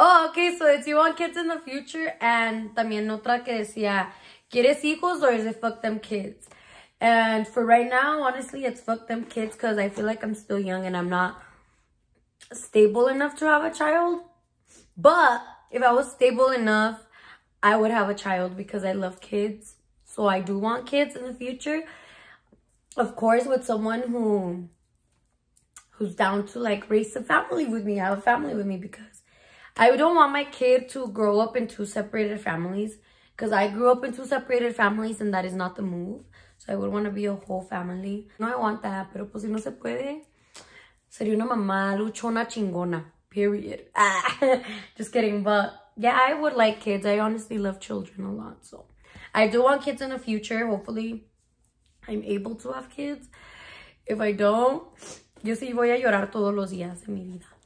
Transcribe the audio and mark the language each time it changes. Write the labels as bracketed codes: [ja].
[en] Oh, okay, so it's, you want kids in the future, and [es] también otra que decía, ¿quieres hijos [en] or is it fuck them kids? And for right now, honestly, it's fuck them kids, because I feel like I'm still young and I'm not stable enough to have a child. But if I was stable enough, I would have a child, because I love kids. So I do want kids in the future. Of course, with someone who's down to like raise a family with me, have a family with me, because I don't want my kid to grow up in 2 separated families, because I grew up in 2 separated families and that is not the move. So I would want to be a whole family. No, I want that, [es] pero pues si no se puede, sería una mamá luchona chingona, [en] period. Ah, just kidding, but Yeah, I would like kids. I honestly love children a lot. So I do want kids in the future. Hopefully, I'm able to have kids. If I don't, [es] yo sí voy a llorar todos los días en mi vida.